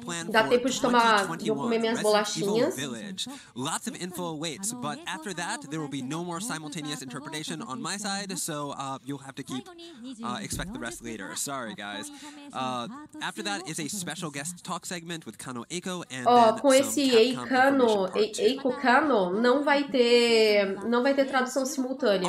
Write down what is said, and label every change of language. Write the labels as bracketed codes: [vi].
[pt] Dá tempo de tomar, vou comer minhas bolachinhas. [en] Lots of info awaits, but after that, there will be no more simultaneous interpretation on my side, so you'll have to keep, expect the rest later. Sorry, guys. After that is a special guest talk segment with Kano Eiko and [pt] oh, com esse Eiko, Kano, não vai ter tradução simultânea,